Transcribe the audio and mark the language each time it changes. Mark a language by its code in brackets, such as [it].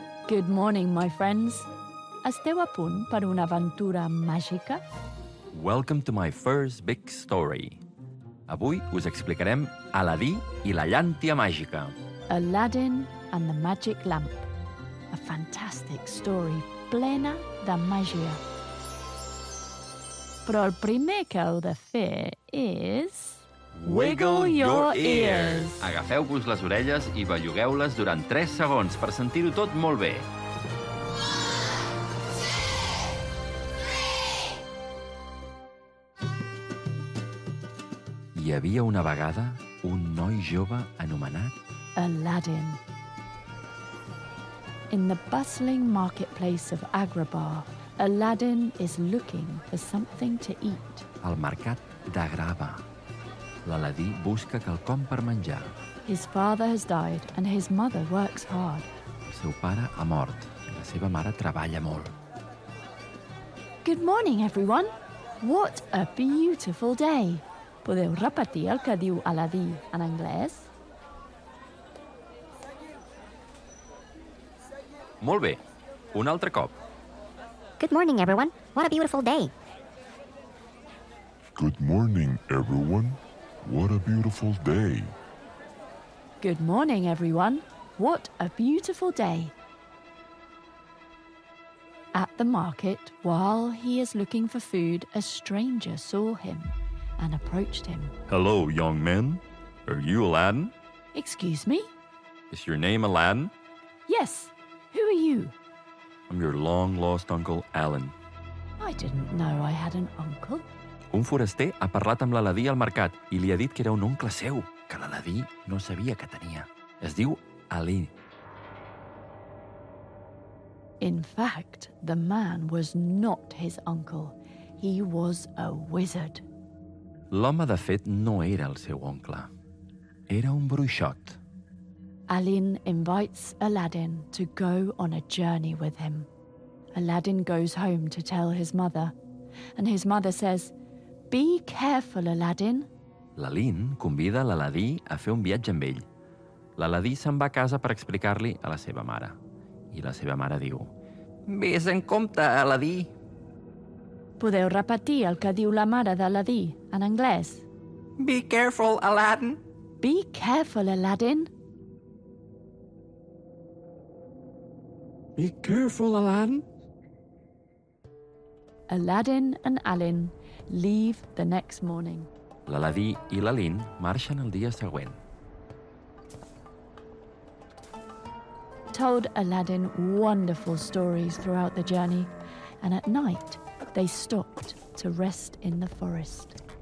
[en] Good morning, my friends. [ca] Esteu a punt per una aventura màgica? [en] Welcome to my first big story. [ca] Avui us explicarem Aladí i la llàntia màgica. [en] Aladdin and the Magic Lamp. A fantastic story [ca] plena de màgia. Però el primer que heu de fer és... [en] Wiggle your ears! [ca] Agafeu-vos les orelles i bellugueu-les durant 3 segons per sentir-ho tot molt bé. 1, 2, 3! Hi havia una vegada un noi jove anomenat... Aladdin. [en] In the bustling marketplace of Agrabah, Aladdin is looking for something to eat. [ca] Al mercat d'Agrava, l'Aladí busca quelcom per menjar. [en] His father has died and his mother works hard. [ca] El seu pare ha mort i la seva mare treballa molt. [en] Good morning, everyone. What a beautiful day. [ca] Podeu repetir el que diu Aladí en anglès? Molt bé. Un altre cop. [en] Good morning, everyone. What a beautiful day. Good morning, everyone. What a beautiful day. Good morning, everyone. What a beautiful day. At the market, while he is looking for food, a stranger saw him and approached him. Hello, young man. Are you Aladdin? Excuse me? Is your name Aladdin? Yes. Who are you? I'm your long-lost uncle, Alan. I didn't know I had an uncle. [ca] Un foraster ha parlat amb l'Aladí al mercat i li ha dit que era un oncle seu, que l'Aladí no sabia que tenia. Es diu Ali. [en] In fact, the man was not his uncle. He was a wizard. [ca] L'home, de fet, no era el seu oncle. Era un bruixot. [en] Aladdin invites Aladdin to go on a journey with him. Aladdin goes home to tell his mother, and his mother says, "Be careful, Aladdin." [ca] L'Aladdin convida l'Aladí a fer un viatge amb ell. L'Aladí se'n va a casa per explicar-li a la seva mare, i la seva mare diu, "Vés en compte, Aladdí." Podeu repetir el que diu la mare d'Aladdí en anglès? [en] "Be careful, Aladdin." "Be careful, Aladdin." Be careful, Aladdin. Aladdin and Alin leave the next morning. [ca] L'Aladí i l'Alin marxen el dia següent. [en] Told Aladdin wonderful stories throughout the journey, and at night they stopped to rest in the forest.